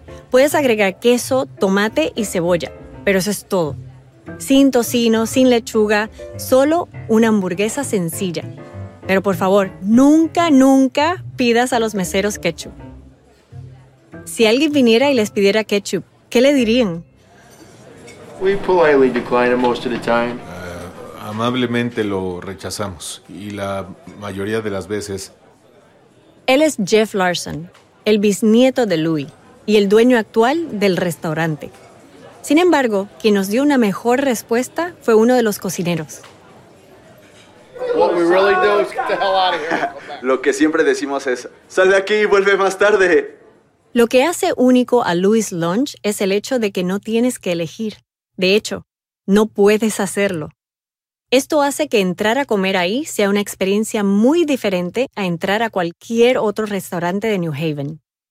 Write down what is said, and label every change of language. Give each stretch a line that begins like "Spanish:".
Spanish: Puedes agregar queso, tomate y cebolla, pero eso es todo. Sin tocino, sin lechuga, solo una hamburguesa sencilla. Pero por favor, nunca, nunca pidas a los meseros ketchup. Si alguien viniera y les pidiera ketchup, ¿qué le dirían?
English: We politely decline it most of the time.
Spanish: Amablemente lo rechazamos y la mayoría de las veces. Él es Jeff Larson, el bisnieto de Louis y el dueño actual del restaurante. Sin embargo, quien nos dio una mejor respuesta fue uno de los cocineros.
English: What we really do is get the hell out of here.
Spanish: Lo que siempre decimos es, sal de aquí y vuelve más tarde. Lo que hace único a Louis Lunch es el hecho de que no tienes que elegir. De hecho, no puedes hacerlo. Esto hace que entrar a comer ahí sea una experiencia muy diferente a entrar a cualquier otro restaurante de New Haven.